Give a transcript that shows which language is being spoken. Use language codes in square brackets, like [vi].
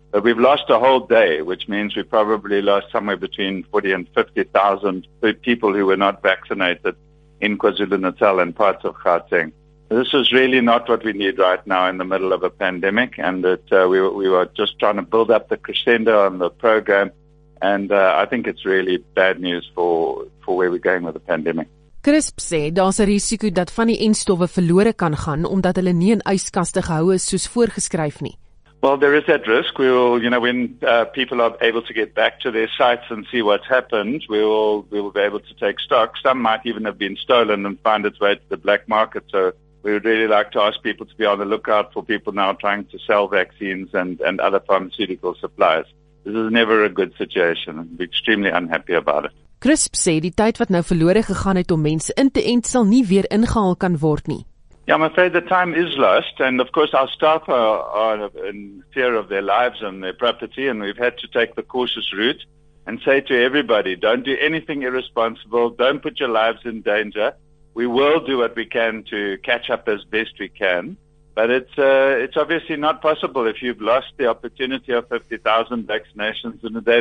[en] But we've lost a whole day, which means we probably lost somewhere between 40 and 50,000 people who were not vaccinated in KwaZulu-Natal and parts of Gauteng. This is really not what we need right now in the middle of a pandemic, and that we were just trying to build up the crescendo on the program. And I think it's really bad news for where we're going with the pandemic. [af] CRISP sê daar's 'n risiko dat van die enstowwe verlore kan gaan omdat hulle nie in yskaste gehou is soos voorgeskryf nie. [en] Well, there is that risk. We will, you know, when people are able to get back to their sites and see what's happened, we will be able to take stock. Some might even have been stolen and find its way to the black market. So we would really like to ask people to be on the lookout for people now trying to sell vaccines and other pharmaceutical supplies. This is never a good situation. We're extremely unhappy about it. [af] CRISP sê die tyd wat nou verlore gegaan het om mense in te ent sal nie weer ingehaal kan word nie. [en] Yeah, I'm afraid the time is lost, and of course our staff are in fear of their lives and their property, and we've had to take the cautious route and say to everybody, don't do anything irresponsible, don't put your lives in danger. We will do what we can to catch up as best we can, but it's obviously not possible if you've lost the opportunity of 50,000 vaccinations in a day.